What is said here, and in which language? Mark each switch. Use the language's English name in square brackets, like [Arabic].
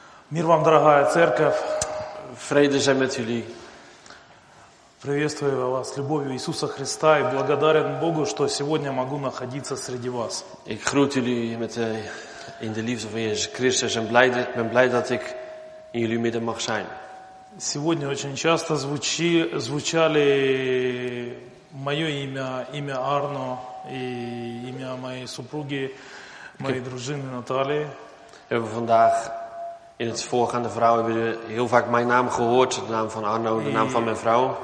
[Russian] Мир вам, дорогая церковь. Фрейде зе мет юли. Приветствую вас любовью Иисуса Христа и благодарен Богу, что сегодня могу находиться среди вас. [Dutch] Ik groet jullie met de in de liefde van Jezus Christus en ben blij dat ik in jullie midden mag zijn. [Russian] Сегодня очень часто звучали мое имя, имя Арно и имя моей супруги, моей дружины Натальи. [Dutch] We hebben vandaag in het voorgaande verhaal hebben we heel vaak mijn naam gehoord, de naam van Arno, de naam van mijn vrouw.